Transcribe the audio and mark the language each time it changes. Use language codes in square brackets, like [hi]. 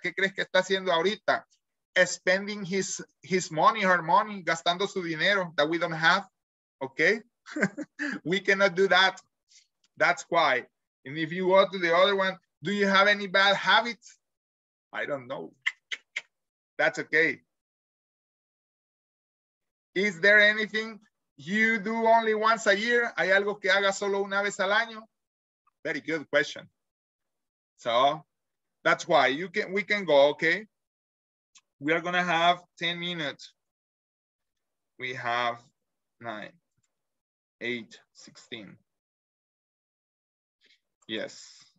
[es] ¿Qué crees que está haciendo ahorita? [en] Spending his money, her money, [es] gastando su dinero [en] that we don't have. Okay? We cannot do that. That's why. And if you go to the other one, do you have any bad habits? I don't know. That's okay. Is there anything you do only once a year? [es] ¿Hay algo que haga solo una vez al año? [en] Very good question. So that's why you can, we can go, okay? We are gonna have 10 minutes. We have 9, 8, 16. Yes.